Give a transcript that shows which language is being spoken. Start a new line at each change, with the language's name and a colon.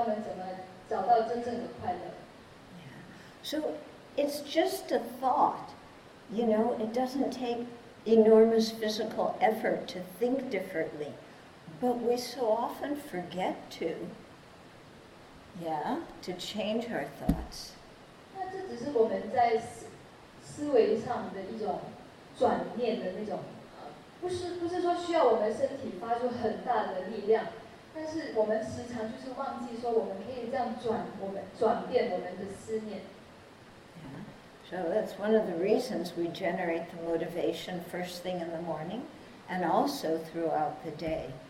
Chinese: 对，在飞机上坐在我左边那位男士喝他又啤酒的男士，还有坐在右边看报应里的行为的电影的男士，其实我心里可以想，哎，他们这一生没有机会接触到佛法，其实都就是很可怜，就是没有机会了解到底是怎么制造一个快乐的生活，所以可能今生我没有机会利益他们，但是希望来世有机会跟他们讲法，教他们怎么找到真正的快乐。
English: So it's just a thought, you know, it doesn't take enormous physical effort to think differently, but we so often forget to, to change our thoughts.
Chinese: 那这只是我们在思维上的一种转念的那种，不是说需要我们身体发出很大的力量，但是我们时常就是忘记说我们可以这样转我们的思念。
English: So that's one of the reasons we generate the motivation first thing in the morning and also throughout the day.